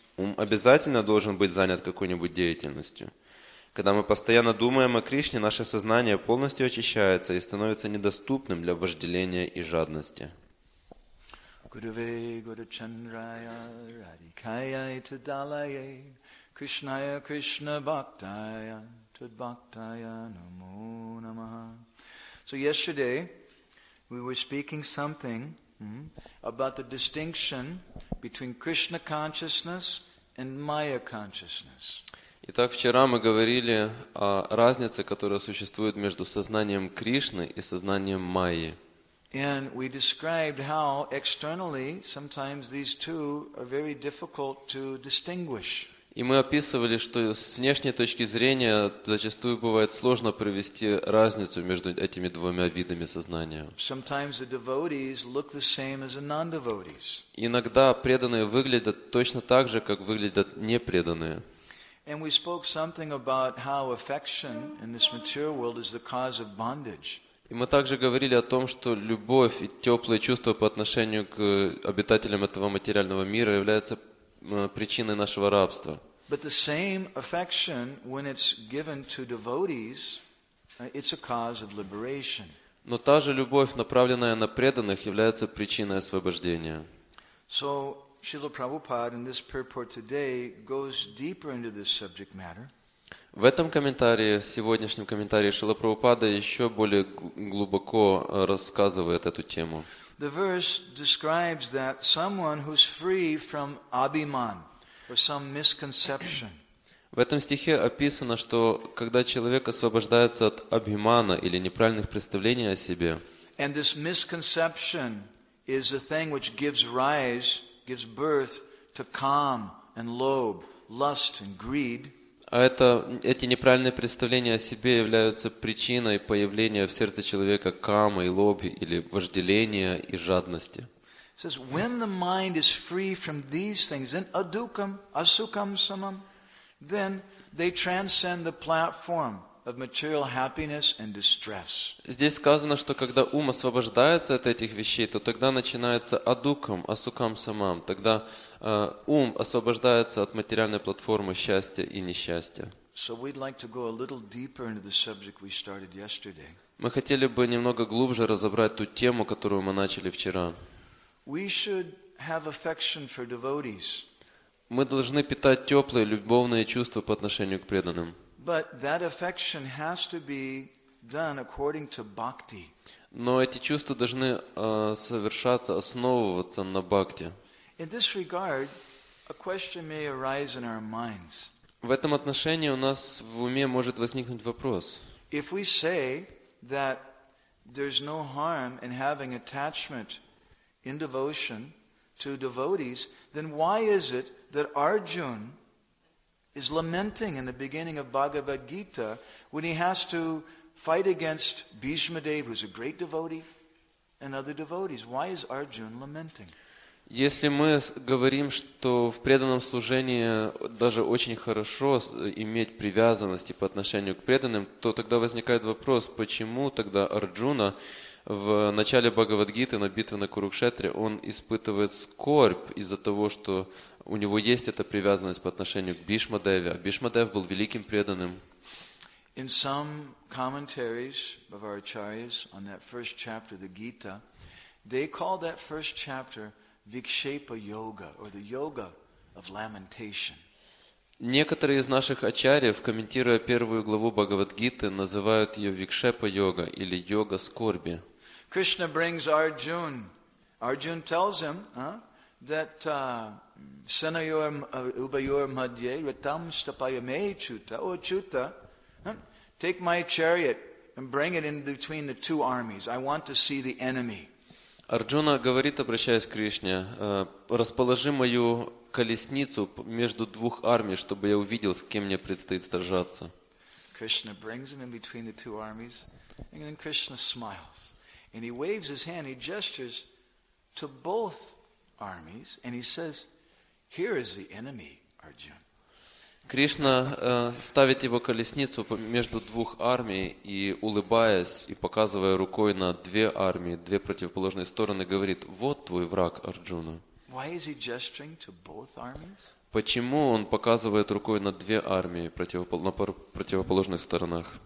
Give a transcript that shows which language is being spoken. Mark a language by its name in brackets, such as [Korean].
[Russian] Ум обязательно должен быть занят какой-нибудь деятельностью. Когда мы постоянно думаем о Кришне, наше сознание полностью очищается и становится недоступным для вожделения и жадности. [Sanskrit] Гуруве Гуручандрая Радикайай Тадалайе Кришная Кришна Бхактая Тадбхактая Намо Намаха. [English] So yesterday we were speaking something about the distinction between Krishna consciousness and Maya consciousness. [Russian] Итак, вчера мы говорили о разнице, которая существует между сознанием Кришны и сознанием Майи. [English] And we described how externally sometimes these two are very difficult to distinguish. [Russian] И мы описывали, что с внешней точки зрения зачастую бывает сложно провести разницу между этими двумя видами сознания. [English] Sometimes the devotees look the same as the non-devotees. [Russian] Иногда преданные выглядят точно так же, как выглядят непреданные. [English] And we spoke something about how affection in this material world is the cause of bondage. [Russian] И мы также говорили о том, что любовь и теплые чувства по отношению к обитателям этого материального мира являются причиной нашего рабства. [English] But the same affection, when it's given to devotees, it's a cause of liberation. [Russian] Но та же любовь, направленная на преданных, является причиной освобождения. [English] So Srila Prabhupada in this purport today goes deeper into this subject matter. [Russian] В этом комментарии, в сегодняшнем комментарии Шрила Прабхупада еще более глубоко рассказывает эту тему. [English] The verse describes that someone who's free from abhiman or some misconception. [Russian] В этом стихе описано, что когда человек освобождается от абхимана или неправильных представлений о себе. [English] And this misconception is the thing which gives birth to kam and lobe, lust and greed. [Russian] А это эти неправильные представления о себе являются причиной появления в сердце человека камы и лоби или вожделения и жадности. [English] It says when the mind is free from these things, then [Sanskrit] adukam, asukam samam, [English] then they transcend the platform of material happiness and distress. [Russian] Здесь сказано, что когда ум освобождается от этих вещей, то тогда начинается [Sanskrit] адукам, асукам самам. [Russian] Тогда ум освобождается от материальной платформы счастья и несчастья. [English] So we'd like to go a little deeper into the subject we started yesterday. [Russian] Мы хотели бы немного глубже разобрать ту тему, которую мы начали вчера. [English] We should have affection for devotees. [Russian] Мы должны питать теплые любовные чувства по отношению к преданным. [English] But that affection has to be done according to bhakti. [Russian] Но эти чувства должны совершаться, основываться на бхакти. [English] In this regard, a question may arise in our minds. [Russian] В этом отношении у нас в уме может возникнуть вопрос. [English] If we say that there's no harm in having attachment in devotion to devotees, then why is it that Arjuna is lamenting in the beginning of Bhagavad Gita when he has to fight against Bhishma Dev, who's a great devotee, and other devotees. Why is Arjuna lamenting? [Russian] Если мы говорим, что в преданном служении даже очень хорошо иметь привязанности по отношению к преданным, то тогда возникает вопрос, почему тогда Арджуна в начале Бхагавадгиты на битве на Курукшетре он испытывает скорбь из-за того, что у него есть эта привязанность по отношению к Бишмадеве, а Бишмадев был великим преданным. [English] In some commentaries of our acharyas on that first chapter, the Gita, they call that first chapter Vikshepa Yoga, or the Yoga of Lamentation. [Russian] Некоторые из наших ачарьев, комментируя первую главу Бхагавадгиты, называют ее Викшепа Йога или Йога Скорби. [English] Krishna brings Arjuna. Arjuna tells him that [Sanskrit] Senayor Ubayor Madhye Ritam Stapayame Chuta, [English] O Chuta, take my chariot and bring it in between the two armies. I want to see the enemy. [Russian] Арджуна говорит, обращаясь к Кришне, расположи мою колесницу между двух армий, чтобы я увидел, с кем мне предстоит сражаться. [English] Krishna brings him in between the two armies, and then Krishna smiles, and he waves his hand, he gestures to both armies, and he says, here is the enemy, Arjuna. [Russian] Кришна ставит его колесницу между двух армий и, улыбаясь и показывая рукой на две армии, две противоположные стороны, говорит, вот твой враг, Арджуна. [English] Why is he gesturing to both armies? [Russian] Почему он показывает рукой на две армии на противоположных сторонах?